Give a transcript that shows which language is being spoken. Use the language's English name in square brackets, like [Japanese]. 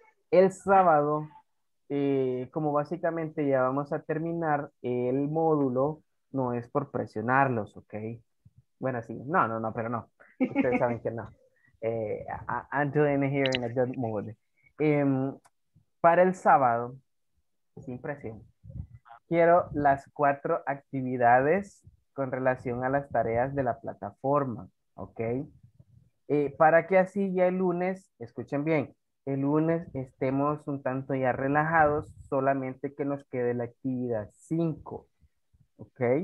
[Spanish] El sábado, como básicamente ya vamos a terminar el módulo, no es por presionarlos, ¿ok? Bueno, sí. No, pero no. Ustedes saben que no. [English] I'm doing it here in a good mood. [Spanish] Para el sábado, sin presión, quiero las 4 actividades con relación a las tareas de la plataforma, ¿ok? Para que así ya el lunes, escuchen bien, el lunes estemos un tanto ya relajados, solamente que nos quede la actividad 5, ¿ok?